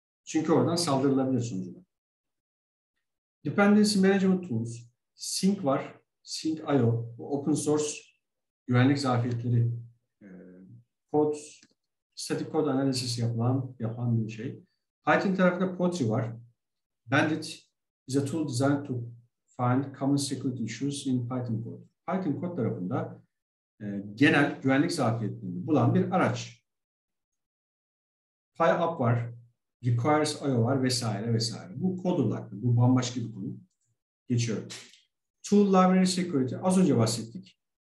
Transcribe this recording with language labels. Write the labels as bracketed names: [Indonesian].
[Turkish] Çünkü oradan saldırılabilir sunucuna. Dependency Management Tools, Sync var, Sync.io, bu open source güvenlik zafiyetleri, kod, static code analysis yapan bir şey. Python tarafında Potri var. [English] Bandit is a tool designed to find common security issues in Python code. [Turkish] Python code tarafında genel güvenlik zafiyetlerini bulan bir araç. PyUp var. Requires.io var vesaire vesaire. Bu kod odaklı. Bu bambaşka bir konu. Geçiyorum. [English] Tool Library Security. [Turkish] Az önce bahsettik.